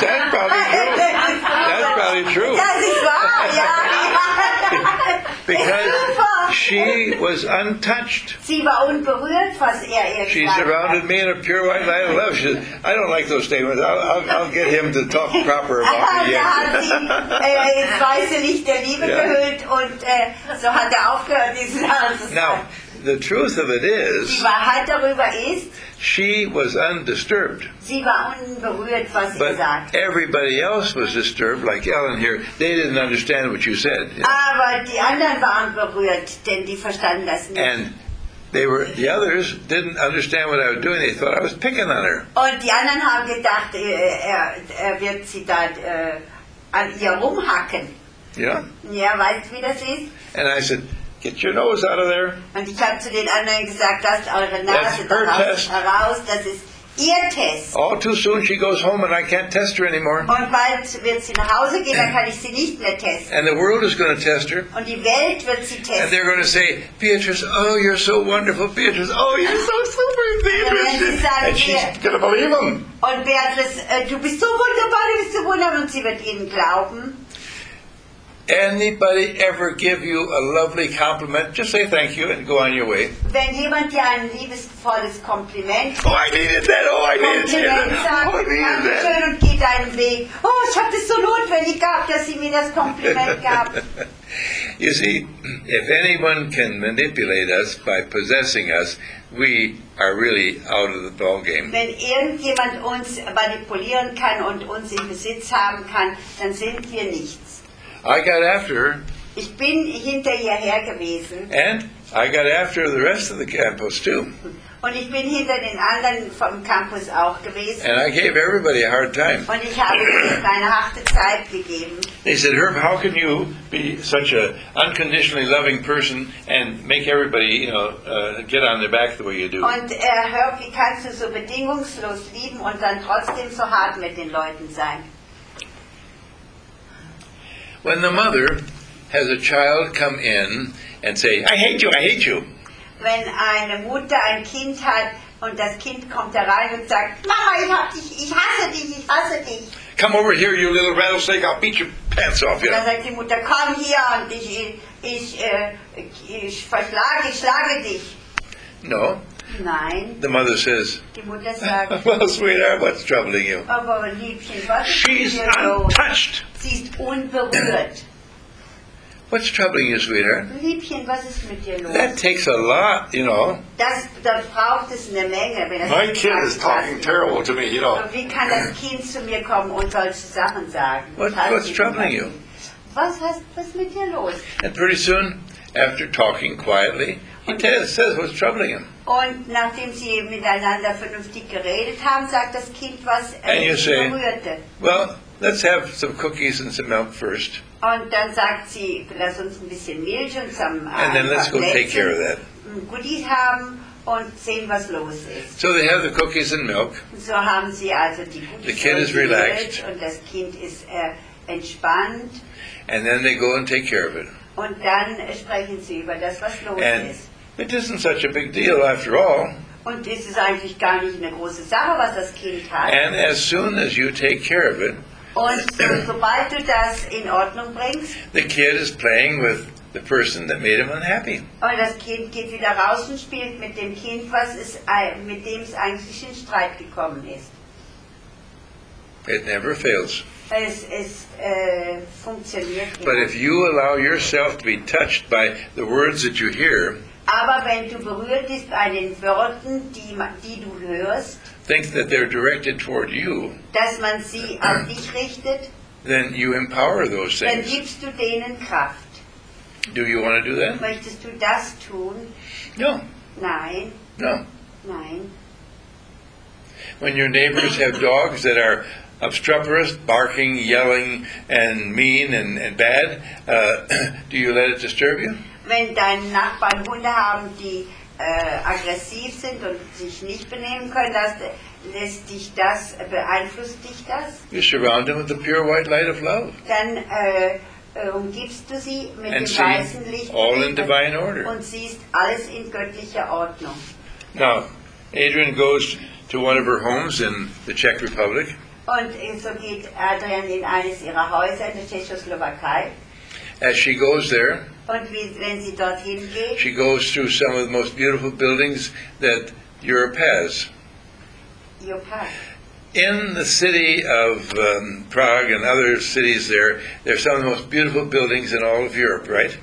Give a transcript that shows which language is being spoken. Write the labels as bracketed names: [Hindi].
[English] That's probably true. That's probably true. That is why, Because she was untouched. [German] Sie war unberührt, was ihr [English] She surrounded me in a pure white light of love. She said, I don't like those statements. I'll get him to talk proper about me. [German] Ja, ins weiße Licht der Liebe gehüllt und so hat aufgehört, diesen Satz. [English] Now, the truth of it is, [German] die Wahrheit darüber ist, [English] she was undisturbed. [German] Sie war unberührt, was sie [English] But [German] gesagt. [English] Everybody else was disturbed, like Ellen here. They didn't understand what you said. [German] Aber die anderen waren berührt, denn die verstanden das nicht. [English] And the others didn't understand what I was doing. They thought I was picking on her. [German] Und die anderen haben gedacht, wird sie da an ihr rumhacken. [English] Yeah. [German] Ja, weißt du, wie das ist? [English] And I said, get your nose out of there. [German] Und ich habe zu den anderen gesagt, lasst eure Nase daraus, das ist ihr Test. [English] All too soon she goes home and I can't test her anymore. [German] Und bald wird sie nach Hause gehen, dann kann ich sie nicht mehr testen. [English] And the world is going to test her. [German] Und die Welt wird sie testen. [English] And they're going to say, Beatrice, oh, you're so wonderful, Beatrice. Oh, you're so super, Beatrice. [German] Und sie sagen, [English] and she's going to believe them. [German] Und Beatrice, du bist so wunderbar, du bist so wunderbar, und sie wird ihnen glauben. [English] Anybody ever give you a lovely compliment? Just say thank you and go on your way. [German] Wenn jemand dir ein liebesvolles Kompliment. [English] Oh, I needed that. Oh, I needed that. Oh, I needed that. [German] Schön und geht deinen Weg. Oh, ich habe das so notwendig gehabt, dass sie mir das Kompliment gab. [English] You see, if anyone can manipulate us by possessing us, we are really out of the ball game. [German] Wenn irgendjemand uns manipulieren kann und uns in Besitz haben kann, dann sind wir nichts. [English] I got after her. [German] Ich bin hinter ihr her gewesen. [English] And I got after the rest of the campus too. [German] Und ich bin hinter den anderen vom Campus auch gewesen. [English] And I gave everybody a hard time. [German] Und ich habe ihnen eine harte Zeit gegeben. [English] They said, Herb, how can you be such an unconditionally loving person and make everybody, you know, get on their back the way you do? [German] Und Herb, wie kannst du so bedingungslos lieben und dann trotzdem so hart mit den Leuten sein? [English] When the mother has a child come in and say, I hate you, I hate you. [German] Wenn eine Mutter ein Kind hat und das Kind kommt da rein und sagt, Mama, ich hab dich, ich hasse dich, ich hasse dich. [English] Come over here, you little rattlesnake, I'll beat your pants off you. [German] Dann sagt die Mutter, komm hier und ich verschlage, ich schlage dich. [English] No. [German] Nein. [English] The mother says, [German] die Mutter sagt, [English] well, sweetheart, what's troubling you? [German] Aber, Liebchen, was [English] she's untouched. [German] Sie ist unberührt. [English] What's troubling you, sweetheart? [German] Liebchen, was ist mit dir los? [English] That takes a lot, you know. [German] Das braucht es eine Menge, wenn das [English] My kind is talking terrible to me, you know. [German] Wie kann das Kind zu mir kommen und solche Sachen sagen? [English] What's troubling you? [German] Was mit dir los? [English] And pretty soon, after talking quietly, he says what's troubling him. [German] Und nachdem sie miteinander vernünftig geredet haben, sagt das Kind, was ihn berührte. [English] Well, let's have some cookies and some milk first. [German] Und dann sagt sie, lass uns ein bisschen Milch und [English] some And then let's go take care of that. [German] Goodies haben und sehen, was los ist. [English] So they have the cookies and milk. [German] So haben sie also die Cookies. [English] The kid is relaxed. [German] Und das Kind ist entspannt. [English] And then they go and take care of it. [German] Und dann sprechen sie über das, was los [English] and [German] ist. [English] It isn't such a big deal after all. [German] Und es ist eigentlich gar nicht eine große Sache, was das Kind hat. [English] And as soon as you take care of it, [German] und sobald du das in Ordnung bringst, [English] the kid is playing with the person that made him unhappy. [German] Und das Kind geht wieder raus und spielt mit dem Kind, was ist, mit dem es eigentlich in Streit gekommen ist. [English] It never fails. [German] Es funktioniert nicht. [English] But if you allow yourself to be touched by the words that you hear, [German] aber wenn du berührt bist bei den Worten, die du hörst, [English] think that they're directed toward you, [German] dass man sie an dich richtet, [English] then you empower those things. [German] Dann gibst du denen Kraft. [English] Do you want to do that? [German] Möchtest du das tun? [English] No. [German] Nein. [English] No. [German] Nein. [English] When your neighbors have dogs that are obstreperous, barking, yelling, and mean and bad, do you let it disturb you? [German] Wenn deine Nachbarn Hunde haben, die aggressiv sind und sich nicht benehmen können, beeinflusst dich das? [English] You surround them with the pure white light of love. [German] Dann umgibst du sie mit [English] and [German] dem weißen Licht [English] all in divine order. [German] Und siehst alles in göttlicher Ordnung. [English] Now, Adrian goes to one of her homes in the Czech Republic. [German] Und so geht Adrian in eines ihrer Häuser in der Tschechoslowakei. [English] As she goes there, [German] und wenn sie dorthin geht, [English] she goes through some of the most beautiful buildings that Europe has. In the city of Prague and other cities there, there are some of the most beautiful buildings in all of Europe, right?